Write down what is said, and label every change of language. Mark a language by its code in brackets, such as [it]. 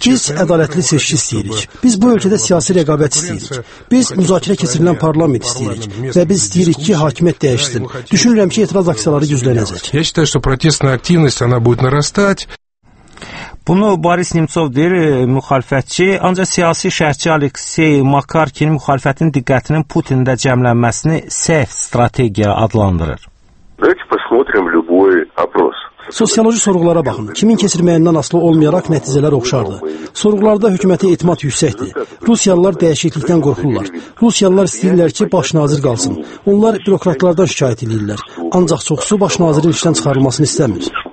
[az] Biz ədalətli seçki istəyirik. Biz bu ölkədə siyasi rəqabət istəyirik. Biz müzakirə keçirilən parlament istəyirik və biz istəyirik ki, hakimiyyət dəyişsin. Düşünürəm ki, etiraz aksiyaları güclənəcək. [ru] Я считаю, что протестная активность она будет нарастать. [az] Bunu Boris Nemtsov deyir, müxalifətçi, ancaq siyasi şərhçi Aleksey Makarkin müxalifətin diqqətinin Putində cəmlənməsini səhv strategiya adlandırır. [ru] Давайте посмотрим любой опрос. [az] Sosioloji sorğulara baxın. Kimin keçirməyindən asılı olmayaraq nəticələr oxşardır. Sorğularda hökumətə etimad yüksəkdir. Rusiyalılar dəyişiklikdən qorxurlar. Rusiyalılar istəyirlər ki, baş nazir qalsın. Onlar bürokratlardan şikayət edirlər. Ancaq çoxsu baş nazirin işdən çıxarılmasını istəmir.